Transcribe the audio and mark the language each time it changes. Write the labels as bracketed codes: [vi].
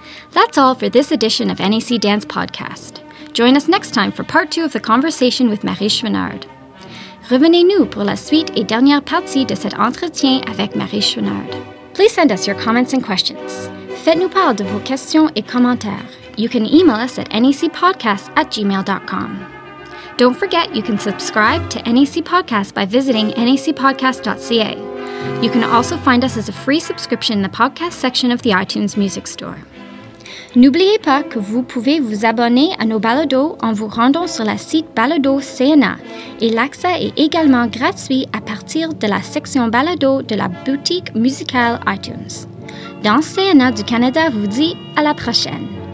[en] That's all for this edition of NAC Dance Podcast. Join us next time for part two of the conversation with Marie Chouinard. [fr] Revenez-nous pour la suite et dernière partie de cet entretien avec Marie Chouinard. [en] Please send us your comments and questions. [fr] Faites-nous part de vos questions et commentaires. [en] You can email us at nacpodcasts@gmail.com. Don't forget, you can subscribe to NAC Podcast by visiting nacpodcast.ca. You can also find us as a free subscription in the podcast section of the iTunes Music Store. [fr] N'oubliez pas que vous pouvez vous abonner à nos balados en vous rendant sur le site Balado CNA et l'accès est également gratuit à partir de la section Balado de la boutique musicale iTunes. Danse CNA du Canada vous dit à la prochaine.